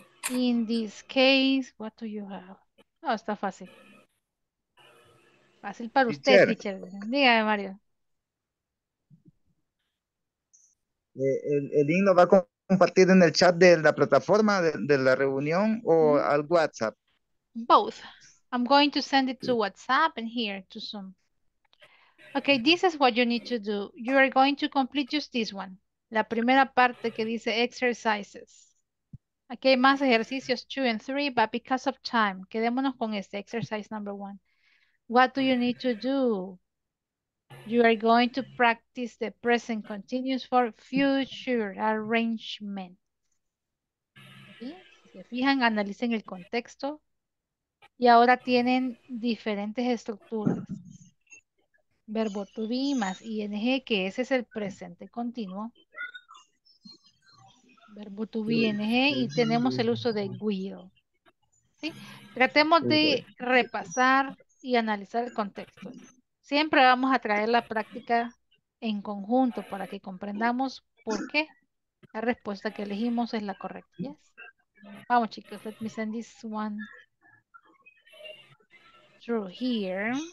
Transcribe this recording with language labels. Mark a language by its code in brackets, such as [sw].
[en] In this case, what do you have? [es] No, está fácil. Fácil para usted, teacher. Dígame, Mario. El himno va a compartir en el chat de la plataforma de la reunión o al WhatsApp. [en] Both. I'm going to send it to WhatsApp and here to Zoom. Okay, this is what you need to do. You are going to complete just this one. [es] La primera parte que dice exercises. Aquí hay más ejercicios [en] 2 and 3, but because of time, [es] quedémonos con este exercise number 1. [en] What do you need to do? You are going to practice the present continuous for future arrangement. [es] ¿Sí? Se fijan, analicen el contexto. Y ahora tienen diferentes estructuras. Verbo to be más ing, que ese es el presente continuo. Verbo to be ing y tenemos el uso de will. ¿Sí? Tratemos de repasar y analizar el contexto. Siempre vamos a traer la práctica en conjunto para que comprendamos por qué la respuesta que elegimos es la correcta. ¿Sí? Vamos, chicos, [en] let me send this one through here.